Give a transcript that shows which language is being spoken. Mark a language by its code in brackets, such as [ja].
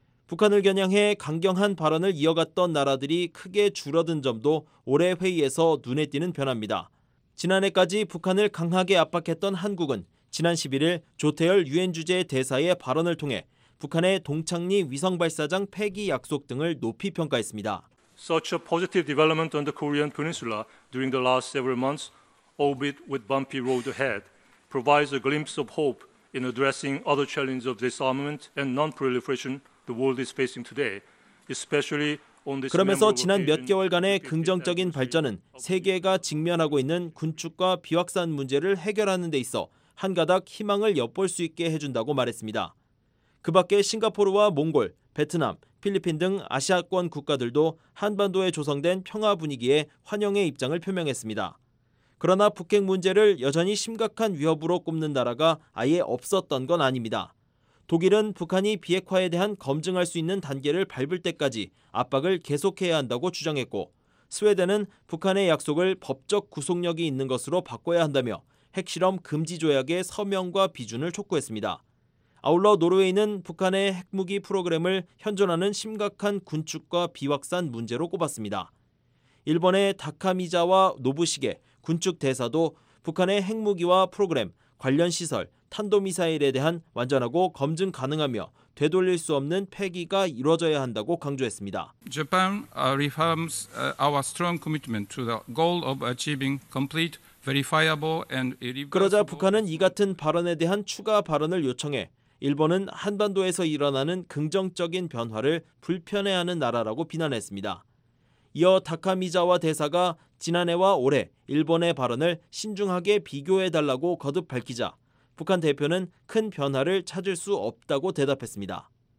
[ko] 북한을 겨냥해 강경한 발언을 이어갔던 나라들이 크게 줄어든 점도 올해 회의에서 눈에 띄는 변화입니다. 지난해까지 북한을 강하게 압박했던 한국은 지난 11일 조태열 유엔 주재 대사의 발언을 통해 북한의 동창리 위성발사장 폐기 약속 등을 높이 평가했습니다. [en] Such a positive development on the Korean Peninsula during the last several months, albeit with bumpy road ahead, provides a glimpse of hope in addressing other challenges of disarmament and non-proliferation the world is facing today, especially [ko] 그러면서 지난 몇 개월간의 긍정적인 발전은 세계가 직면하고 있는 군축과 비확산 문제를 해결하는 데 있어 한 가닥 희망을 엿볼 수 있게 해준다고 말했습니다. 그 밖에 싱가포르와 몽골, 베트남, 필리핀 등 아시아권 국가들도 한반도에 조성된 평화 분위기에 환영의 입장을 표명했습니다. 그러나 북핵 문제를 여전히 심각한 위협으로 꼽는 나라가 아예 없었던 건 아닙니다. 독일은 북한이 비핵화에 대한 검증할 수 있는 단계를 밟을 때까지 압박을 계속해야 한다고 주장했고 스웨덴은 북한의 약속을 법적 구속력이 있는 것으로 바꿔야 한다며 핵실험 금지 조약의 서명과 비준을 촉구했습니다. 아울러 노르웨이는 북한의 핵무기 프로그램을 현존하는 심각한 군축과 비확산 문제로 꼽았습니다. 일본의 다카미자와 노부시게 군축 대사도 북한의 핵무기와 프로그램, 관련 시설, 탄도미사일에 대한 완전하고 검증 가능하며 되돌릴 수 없는 폐기가 이루어져야 한다고 강조했습니다. [en] Japan reaffirms our strong commitment to the goal of achieving complete, verifiable and irreversible. [ko] 그러자 북한은 이 같은 발언에 대한 추가 발언을 요청해 일본은 한반도에서 일어나는 긍정적인 변화를 불편해하는 나라라고 비난했습니다. 이어 다카미자와 대사가 지난해와 올해 일본의 발언을 신중하게 비교해달라고 거듭 밝히자 북한 대표는 큰 변화를 찾을 수 없다고 대답했습니다.